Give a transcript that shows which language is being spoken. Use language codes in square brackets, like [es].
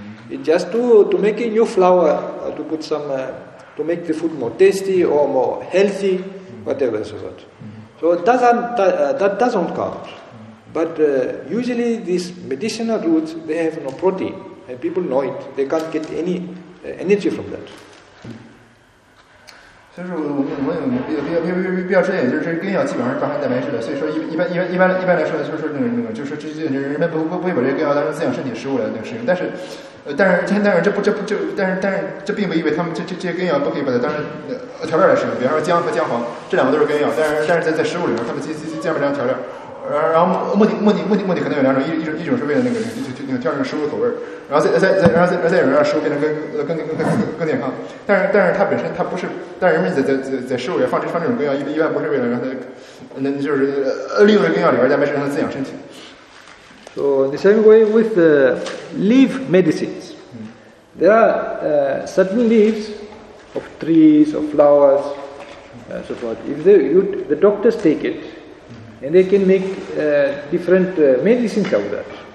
[en] It's just to make a new flour, to put some, to make the food more tasty, or more healthy, whatever, so that. So, that doesn't count. But usually these medicinal roots, they have no protein, and people know it. They can't get any energy from that. [zh] 所以说我们比较知道，就是根药基本上是富含蛋白质的。所以说一般来说，就是说那个就是这些人们不会把这根药当成滋养身体食物来那个食用。但是这并不意味他们这些根药不可以把它当成调料来使用。比方说姜和姜黄，这两个都是根药，但是在食物里面，他们基本上调料。然后目的可能有两种，一种是为了那个调整食物的口味，然后再有人让食物变成更健康，但是它本身它不是，但是人们在食物里放这种根药，一般不是为了让它，那就是利用这根药里边蛋白质让它滋养身体。 [en] So the same way with the leaf medicines, there are certain leaves of trees or flowers, so forth. If the doctors take it. And they can make different medicines out of that.